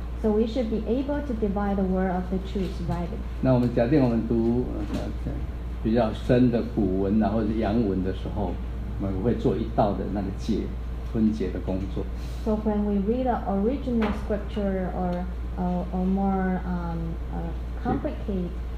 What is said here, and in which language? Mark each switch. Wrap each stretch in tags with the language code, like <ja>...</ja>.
<en>So we should be able to divide the word of the truth rightly.</en> <zh>那我们假定我们读比较深的古文啊，或者洋文的时候，我们会做一道的那个解分解的工作。</zh> <en>So when we read an original scripture or more complicated</en>